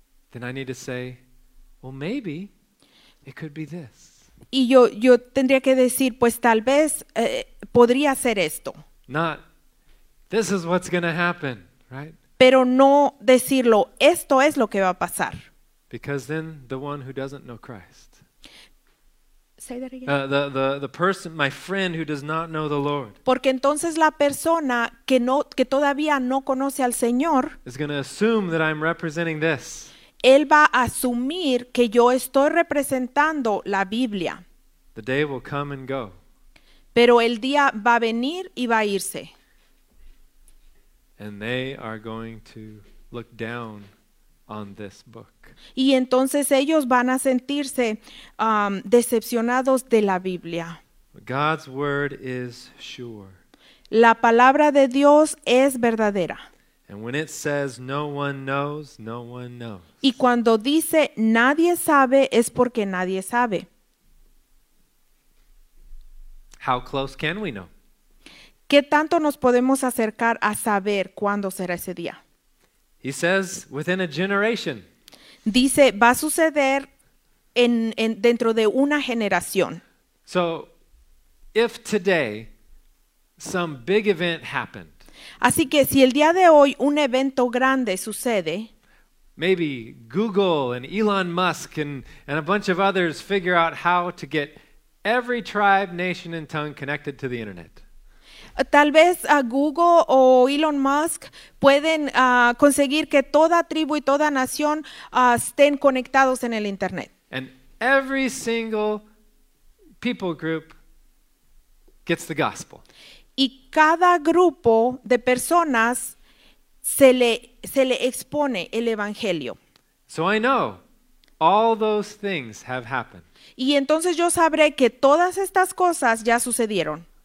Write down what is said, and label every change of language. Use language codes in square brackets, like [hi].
[en] Then I need to say, well, maybe it could be this. [es] Y yo tendría que decir, pues tal vez podría ser esto. [en] Not, this is what's going to happen, right? [es] Pero no decirlo, esto es lo que va a pasar. [en] Because then the one who doesn't know Christ. Say that again. The person, my friend who does not know the Lord. [es] Porque entonces la persona que todavía no conoce al Señor. [en] Is going to assume that I'm representing this. [es] Él va a asumir que yo estoy representando la Biblia. [en] The day will come and go. [es] Pero el día va a venir y va a irse. [en] And they are going to look down on this book. [es] Y entonces ellos van a sentirse decepcionados de la Biblia. [en] God's word is sure. [es] La palabra de Dios es verdadera. [en] And when it says no one knows, no one knows. [es] Y cuando dice nadie sabe, es porque nadie sabe. [en] How close can we know? [es] ¿Qué tanto nos podemos acercar a saber cuándo será ese día? [en] He says, within a generation. [es] Dice, va a suceder en dentro de una generación. [en] So, if today some big event happened, [es] así que si el día de hoy un evento grande sucede, [en] maybe Google and Elon Musk and a bunch of others figure out how to get every tribe, nation, and tongue connected to the internet. [es] Tal vez a Google o Elon Musk pueden conseguir que toda tribu y toda nación estén conectados en el internet. [en] And every single people group gets the gospel. [es] Y cada grupo de personas se le expone el evangelio. [en] So I know all those things have happened. [es] Y entonces yo sabré que todas estas cosas ya sucedieron.